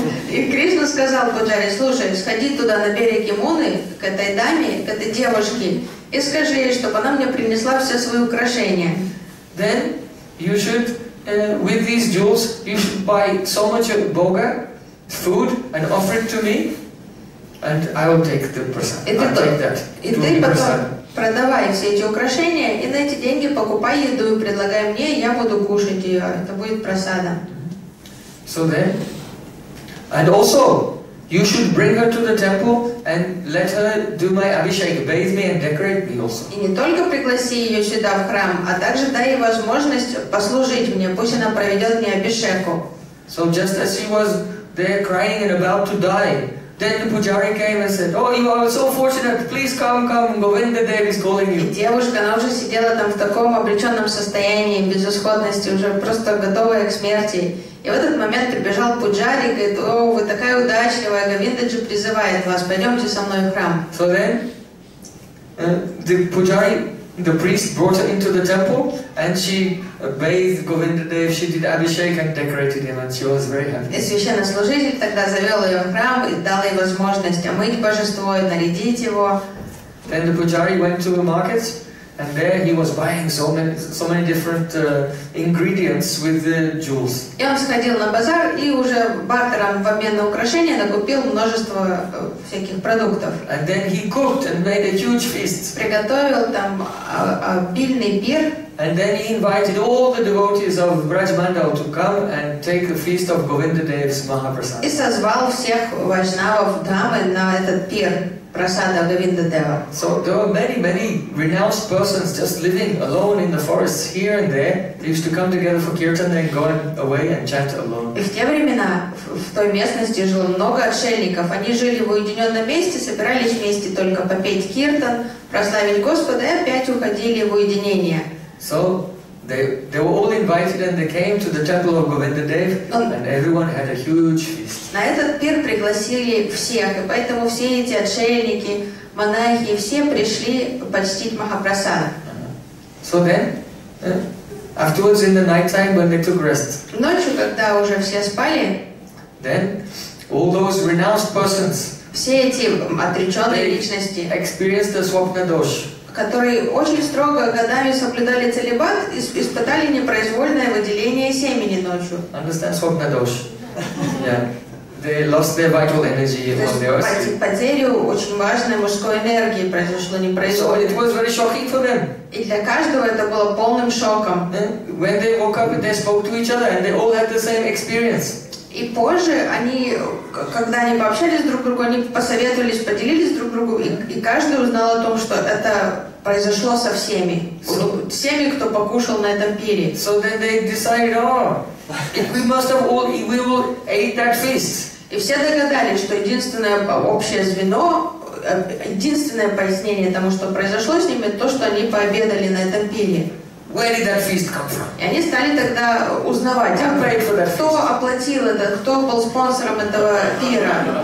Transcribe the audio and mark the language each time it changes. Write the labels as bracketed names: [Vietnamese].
[Russian] И Кришна сказал Пуджари, слушай, сходи туда на берег Ямуны, к этой даме, к этой девушке, и скажи ей, чтобы она мне принесла все свои украшения. [English] Then you should, with these jewels, you should buy so much of boga, food, and offer it to me, and I will take the prasad. I'll take that. [Russian] И ты потом продавай все эти украшения, и на эти деньги покупай еду и предлагай мне, и я буду кушать ее. Это будет прасада. [English] So then, and also, you should bring her to the temple and let her do my abhishek, bathe me and decorate me also. [Russian] И не только пригласи ее сюда в храм, а также дай ей возможность послужить мне, пусть она проведет мне абишеку. [English] So just as she was there crying and about to die, then the Pujari came and said, oh, you are so fortunate, please come, come, Govinda Dev is calling you. [Russian] И девушка, она уже сидела там в таком обреченном состоянии, безысходности, уже просто готовая к смерти. И в этот момент прибежал Пуджари и говорит, о, вы такая удачливая, Говиндаджи призывает вас, пойдемте со мной в храм. [English] So then, the Pujari, the priest, brought her into the temple, and she bathed Govindadev, she did abhishek and decorated him, and she was very happy. [Russian] И священнослужитель тогда завел ее в храм и дал ей возможность омыть божество и нарядить его. [English] Then the Pujari went to the market, and there he was buying so many different ingredients with the jewels. [Russian] И он сходил на базар и уже бартером в обмен на украшения накупил множество всяких продуктов. [English] And then he cooked and made a huge feast. [Russian] Приготовил там обильный пир. [English] And then he invited all the devotees of Brajmandal to come and take the feast of Govindadev's Mahaprasad. [Russian] И созвал всех вайшнавов дамы на этот пир. Prasada Govindadeva. [English] So there were many, many renounced persons just living alone in the forests here and there. They used to come together for kirtan and go away and chant alone. [Russian] И в те времена в той местности жило много отшельников. Они жили в уединенном месте, собирались вместе только попеть киртан, прославить Господа и опять уходили в уединение. [English] So They were all invited and they came to the temple of Govindadev and everyone had a huge feast. [Russian] На этот пир пригласили всех, и поэтому все эти отшельники, монахи, все пришли почтить Махапрасада. [English] So then, afterwards in the night time when they took rest. [Russian] Ночью, когда уже все спали, [English] then all those renounced persons. [Russian] Все эти отреченные личности. [English] Experienced the swapna dosha. [Russian] Которые очень строго годами соблюдали целибат и испытали непроизвольное выделение семени ночью. [English] Understand swapna dosha. Yeah. They lost their vital energy on the earth. [Russian] Потерю очень важной мужской энергии произошло непроизвольно. [English] So it was very shocking for them. [Russian] И для каждого это было полным шоком. [English] Yeah. When they woke up, they spoke to each other, and they all had the same experience. [Russian] И позже они, когда они пообщались друг с другом, они посоветовались, поделились друг с другом, и каждый узнал о том, что это произошло со всеми, всеми, кто покушал на этом пире. [English] So then they decided, we must have all, we will eat that feast. [Russian] И все догадались, что единственное общее звено, единственное пояснение тому, что произошло с ними, то, что они пообедали на этом пире. [English] Where did that feast come from? [Russian] И они стали тогда узнавать, кто оплатил это, кто был спонсором этого пира.